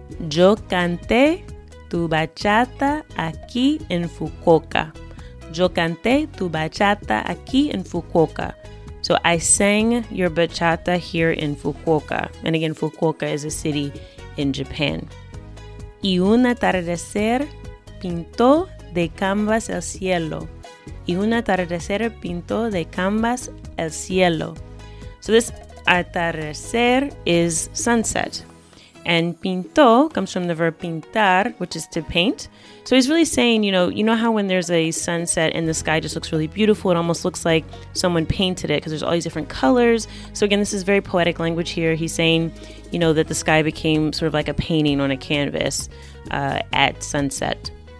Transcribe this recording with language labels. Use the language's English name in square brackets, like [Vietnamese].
[Spanish] Yo canté tu bachata aquí en Fukuoka. Yo canté tu bachata aquí en Fukuoka. [English] So I sang your bachata here in Fukuoka. And again, Fukuoka is a city in Japan. [Spanish] Y un atardecer pintó de canvas el cielo. Y un atardecer pintó de canvas el cielo. [English] So this atardecer is sunset. And pintó comes from the verb pintar, which is to paint. So he's really saying, you know how when there's a sunset and the sky just looks really beautiful, it almost looks like someone painted it because there's all these different colors. So again, this is very poetic language here. He's saying, you know, that the sky became sort of like a painting on a canvas at sunset.